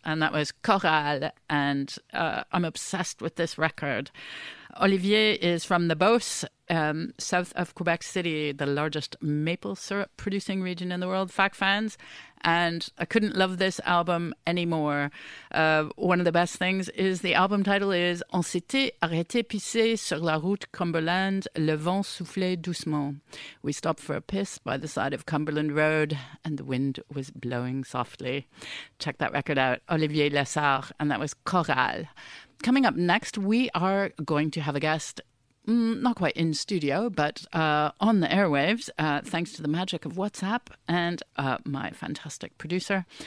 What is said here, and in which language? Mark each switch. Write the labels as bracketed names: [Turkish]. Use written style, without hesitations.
[English] And that was Chorale. And I'm obsessed with this record. Olivier is from the Beauce, south of Quebec City, the largest maple syrup producing region in the world, fact fans. And I couldn't love this album anymore. One of the best things is the album title is [French] On s'était arrêté pisser sur la route Cumberland, le vent soufflait doucement. [English] We stopped for a piss by the side of Cumberland Road and the wind was blowing softly. Check that record out, Olivier Lessard, and that was Chorale. Coming up next, we are going to have a guest, not quite in studio, but on the airwaves, thanks to the magic of WhatsApp and my fantastic producer.